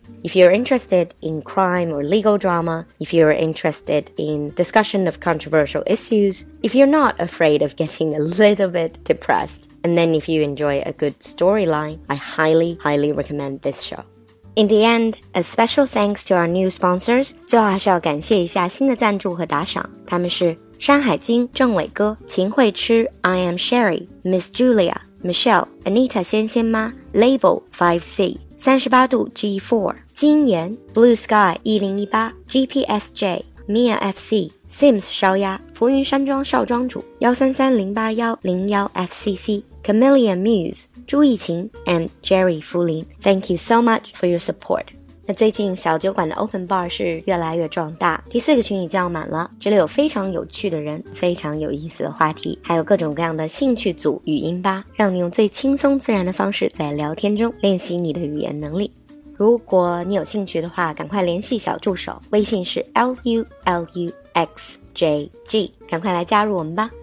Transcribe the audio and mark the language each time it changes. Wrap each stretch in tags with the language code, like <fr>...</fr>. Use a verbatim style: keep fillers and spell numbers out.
<en>If you're interested in crime or legal drama, if you're interested in discussion of controversial issues, if you're not afraid of getting a little bit depressed, and then if you enjoy a good storyline, I highly, highly recommend this show. In the end, a special thanks to our new sponsors.</en> <zh>最后还是要感谢一下新的赞助和打赏，他们是山海经、郑伟哥、秦慧痴、I am Sherry、Miss Julia、Michelle、Anita 仙仙妈</zh> <en>Label five C, 三十八度 G four, 金岩 Blue Sky 一零一八, G P S J, Mia F C, Sims 烧鸭，浮云山庄少庄主 one three three zero eight one zero one F C C, Chameleon Muse, 朱逸琴 and Jerry 福林 Thank you so much for your support.</en> <zh>那最近小酒馆的 open bar 是越来越壮大，第四个群已叫满了，这里有非常有趣的人，非常有意思的话题，还有各种各样的兴趣组语音吧，让你用最轻松自然的方式在聊天中练习你的语言能力。如果你有兴趣的话，赶快联系小助手，微信是 L U L U X J G， 赶快来加入我们吧。</zh>